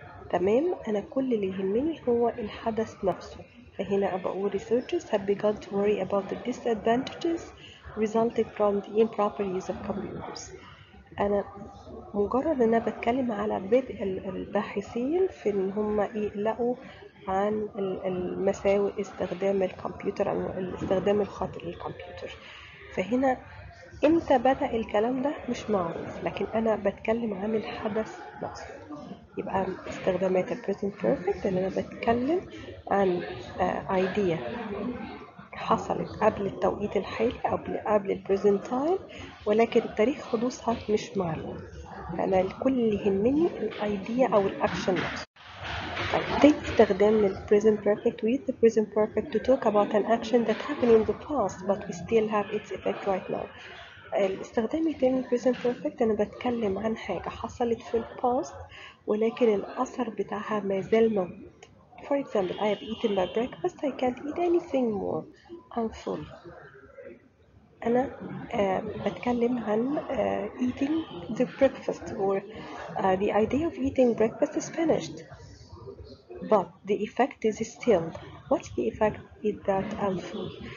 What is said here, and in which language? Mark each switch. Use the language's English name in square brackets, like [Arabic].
[Arabic] تمام، أنا كل اللي يهمني هو الحدث نفسه. فهنا بقول [English] researchers have begun to worry about the disadvantages resulting from the improper use of computers. [Arabic] أنا مجرد أنا بتكلم على بدء الباحثين في إن هم يقلقوا عن المساوئ استخدام الكمبيوتر أو الاستخدام الخاطئ للكمبيوتر. فهنا إمتى بدأ الكلام ده مش معروف، لكن أنا بتكلم عن الحدث نفسه. يبقى استخدامات present perfect إن أنا بتكلم عن idea حصلت قبل التوقيت الحالي أو قبل present time، ولكن تاريخ حدوثها مش معلوم. فأنا الكل اللي يهمني idea أو action نفسه. طيب استخدام [English] present perfect with the present perfect to talk about an action that happened in the past but we still have its effect right now. [Arabic] الاستخدام التاني present perfect أنا بتكلم عن حاجة حصلت في الباست ولكن الأثر بتاعها ما زال موجود. [English] For example, I have eaten my breakfast, I can't eat anything more. I'm full. [Arabic] أنا بتكلم عن [English] eating the breakfast or the idea of eating breakfast is finished. But the effect is still. What's the effect is that I'm full.